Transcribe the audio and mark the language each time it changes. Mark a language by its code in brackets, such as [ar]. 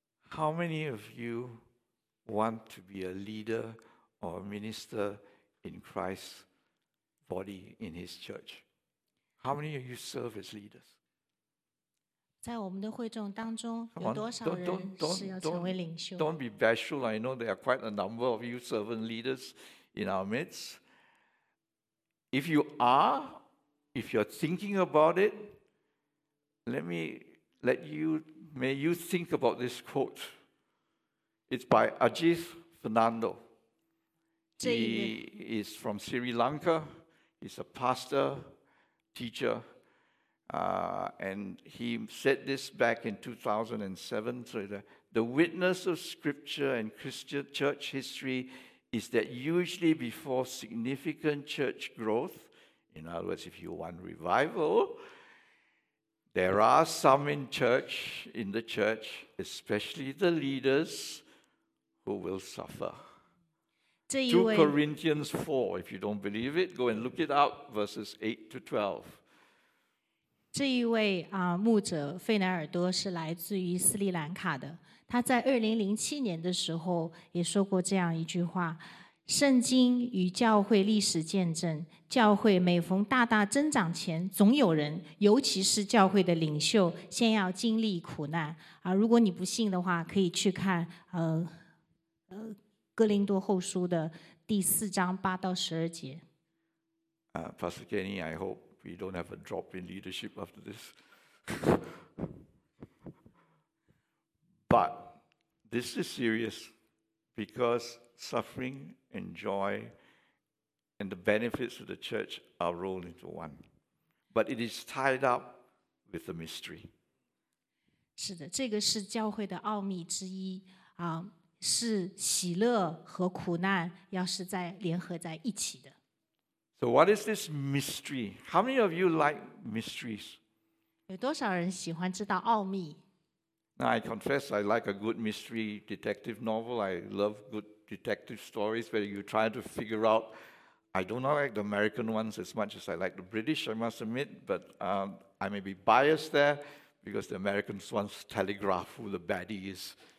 [en] How many of you want to be a leader or a minister in Christ's body in His church? How many of you serve as leaders? [zh] 在我们的会众当中，有多少人是要成为领袖？ [en] Don't be bashful. I know there are quite a number of you servant leaders in our midst. If you are, if you're thinking about it, may you think about this quote. It's by Ajith Fernando. He is from Sri Lanka. He's a pastor, teacher. And he said this back in 2007. So the witness of scripture and Christian church history is that usually before significant church growth, in other words, if you want revival,There are some in the church, especially the leaders, who will suffer. 2 Corinthians 4, if you don't believe it, go and look it up, verses 8 to 12. [zh] 这一位牧者费南尔多是来自于斯里兰卡的，他在2007年的时候也说过这样一句话，圣经与教会历史见证，教会每逢大大增长前，总有人，尤其是教会的领袖，先要经历苦难。如果你不信的话，可以去看哥林多后书的第四章八到十二节。 [en] Pastor Kenny, I hope we don't have a drop in leadership after this. But this is serious because suffering and joy and the benefits of the church are rolled into one. But it is tied up with the mystery. [zh] 是的，这个是教会的奥秘之一啊。是喜乐和苦难要是在联合在一起的。 [en] So what is this mystery? How many of you like mysteries? [zh] 有多少人喜欢知道奥秘？ [en] Now I confess I like a good mystery detective novel. I love good detective stories where you try to figure out. I do not like the American ones as much as I like the British, I must admit. But I may be biased there because the American ones telegraph who the baddie is.